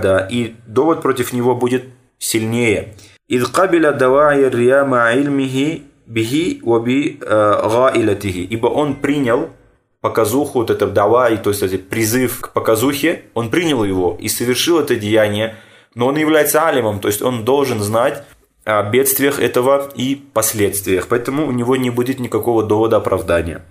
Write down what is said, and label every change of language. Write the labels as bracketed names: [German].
[Russian] И довод против него будет сильнее. [Arabic] إذ قبل دواعي الرياء مع علمه به وبغائلته. [Russian] Ибо он принял показуху, вот это дваи, то есть этот призыв к показухе, он принял его и совершил это деяние, но он является алимом, то есть он должен знать о бедствиях этого и последствиях, поэтому у него не будет никакого довода оправдания.